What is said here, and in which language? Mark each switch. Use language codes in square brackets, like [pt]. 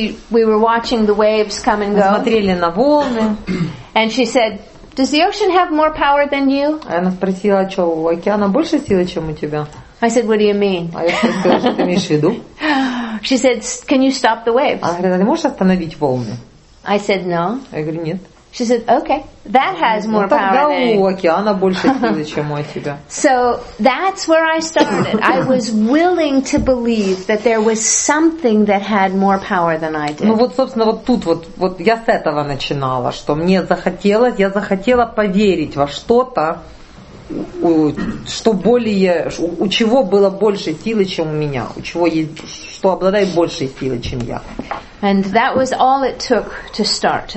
[en] We were watching the waves come and go. [ru] Смотрели на волны. [en] And she said, "Does the ocean have more power than you?" [ru] Она спросила, что у океана больше силы, чем у тебя? [en] I said, "What do you mean?" [ru] А я спросила, что ты имеешь в виду? [en] She said, "Can you stop the waves?" [ru] Она говорит, а ты можешь остановить волны? [en] I said, no. [ru] Я говорю, нет. [en] She said, okay, that has more power than you. So that's where I started. I was willing to believe that there was something that had more power than I did. [ru] Ну вот, собственно, вот тут вот, вот я с этого начинала, что мне захотелось, я захотела поверить во что-то, что более, у чего было больше силы, чем у меня, у чего есть, что обладает большей силой, чем я. [en] And that was all it took to start.